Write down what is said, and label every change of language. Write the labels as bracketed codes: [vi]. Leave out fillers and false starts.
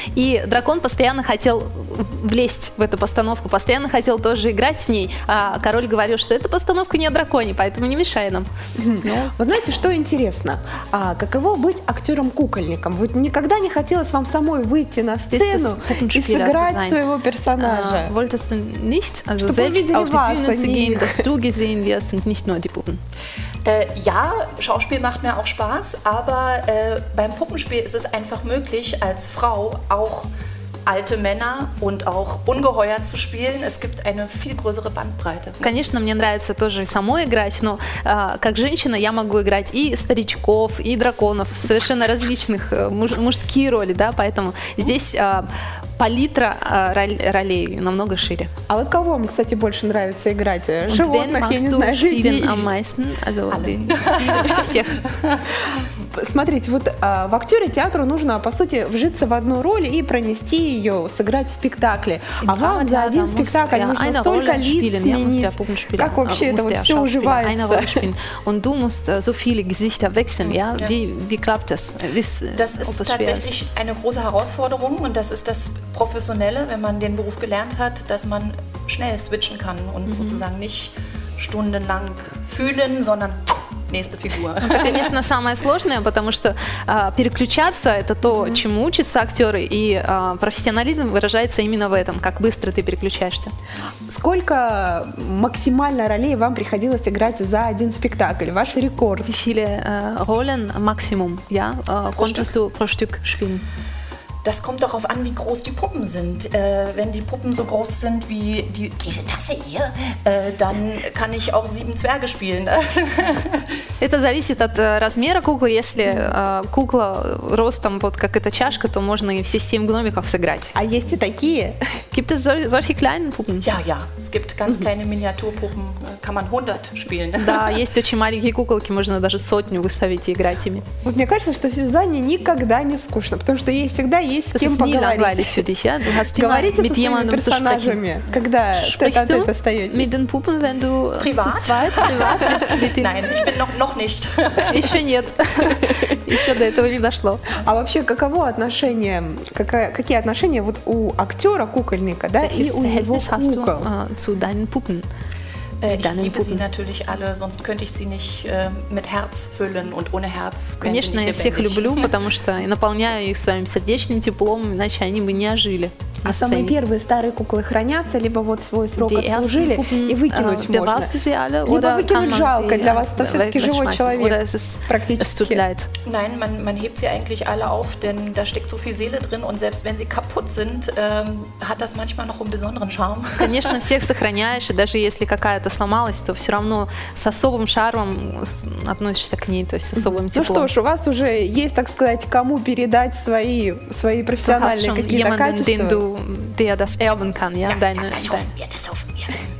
[ru] И дракон постоянно хотел влезть в эту постановку, постоянно хотел тоже играть в ней. А король говорил, что эта постановка не о драконе, поэтому не мешай нам. Вы знаете, что интересно? А каково быть актером-кукольником? Вот никогда не хотелось вам самой выйти на сцену и сыграть своего персонажа? [de] Wolltest du nicht? Also selbst auf die Bühne zu gehen, dass du gesehen wirst und nicht nur die Puppen. Ja, Schauspiel macht mir auch Spaß, aber beim Puppenspiel ist es einfach möglich, als Frau auch alte Männer und auch Ungeheuer zu spielen. Es gibt eine viel größere Bandbreite. [ru] Конечно, мне нравится тоже самой играть, но как женщина я могу играть и старичков, и драконов, совершенно различных мужские роли, да, поэтому здесь... Палитра ролей намного шире. А вот кого вам, кстати, больше нравится играть? Животных, я не знаю, жителей? Всех. Смотрите, вот в актере театру нужно, по сути, вжиться в одну роль и пронести ее, сыграть в спектакле. А вам за один спектакль нужно столько лиц сменить. Как вообще это вот все уживается? [de] Und du musst so viele Gesichter wechseln, ja? Wie klappt das? Das ist tatsächlich eine große Herausforderung und das ist das Professionelle, wenn man den Beruf gelernt hat, dass man schnell switchen kann und sozusagen nicht stundenlang fühlen, sondern nächste Figur. [ru] Это, конечно, самое сложное, потому что переключаться – это то, чему учатся актеры, и профессионализм выражается именно в этом, как быстро ты переключаешься. Сколько максимально ролей вам приходилось играть за один спектакль? Ваш рекорд? [de] Wie viele Rollen maximum, ja? Konntest du pro Stück spielen? Das kommt darauf an, wie groß die Puppen sind. Wenn die Puppen so groß sind wie diese Tasse hier, dann kann ich auch 7 Zwerge spielen. [ru] Это зависит от размера куклы. Если кукла ростом вот как эта чашка, то можно и все 7 гномиков сыграть. А есть и такие? [de] Gibt es solche kleinen Puppen? Ja. Es gibt ganz kleine Miniaturpuppen, kann man 100 spielen. [ru] Да, есть очень маленькие куколки, можно даже 100 выставить и играть ими. Вот мне кажется, что Сюзанне никогда не скучно, потому что ей всегда есть с кем поговорить. Говорите со своими персонажами, когда тет-а-тет остаетесь. [de] Mit den Puppen, wenn du privat? Nein, ich bin noch nicht. [ru] Еще нет. Еще до этого не дошло. А вообще, каково отношение, какие отношения вот у актера-кукольника, да, и у его кукол? [de] Zu deinen Puppen. Ich liebe sie natürlich alle, sonst könnte ich sie nicht mit Herz füllen und ohne Herz. [ru] Конечно, я всех люблю, потому что наполняю их своим сердечным теплом, иначе они бы не ожили. А самые первые старые куклы хранятся, либо вот свой срок отслужили и выкинуть можно. Либо выкинуть жалко, для вас это все-таки живой человек. Практически. [de] Nein, man hebt sie eigentlich alle auf, denn da steckt so viel Seele drin und selbst wenn sie kaputt sind, hat das manchmal noch einen besonderen Charme. [ru] Конечно, всех сохраняешь, и даже если какая-то сломалась, то все равно с особым шармом относишься к ней, то есть с особым теплом. Ну что ж, у вас уже есть, так сказать, кому передать свои профессиональные какие-то качества. [de] Der das erben kann, ja? Deine, deine.